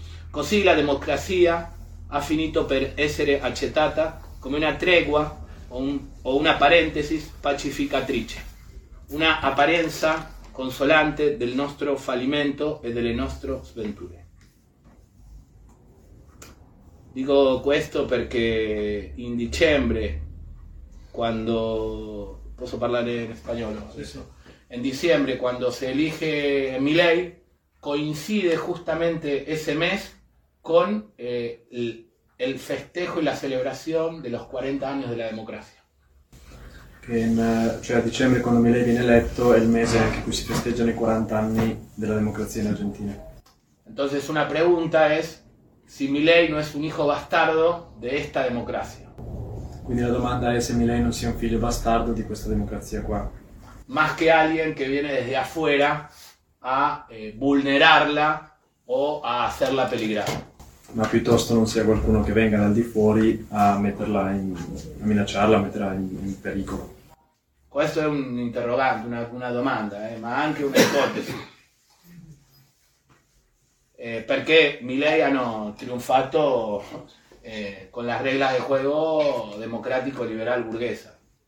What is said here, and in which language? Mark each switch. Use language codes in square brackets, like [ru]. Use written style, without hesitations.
[it] Così la democrazia ha finito per essere accettata come una tregua o una parentesi pacificatrice, una apparenza consolante del nostro fallimento e delle nostre sventure. Dico questo perché in dicembre, quando posso parlare in spagnolo? Sì, sì. [es] En diciembre, cuando se elige Milei, coincide justamente ese mes con el festejo y la celebración de los 40 años de la democracia. [it] Che in, cioè a dicembre, quando Milei viene eletto, è il mese anche in cui si festeggiano i 40 anni della democrazia in Argentina. [es] Entonces una pregunta es si Milei no es un hijo bastardo de esta democracia. [it] Quindi la domanda è se Milei non sia un figlio bastardo di questa democrazia qua. [es] Más que alguien que viene desde afuera a vulnerarla o a hacerla peligrar. [it] Ma piuttosto non sia qualcuno che venga dal di fuori a metterla in, a minacciarla, a metterla in pericolo. Questo è un interrogante, una domanda, ma anche un'ipotesi. Perché Milei hanno [es] triunfato con la regla del juego democratico liberal burguesa.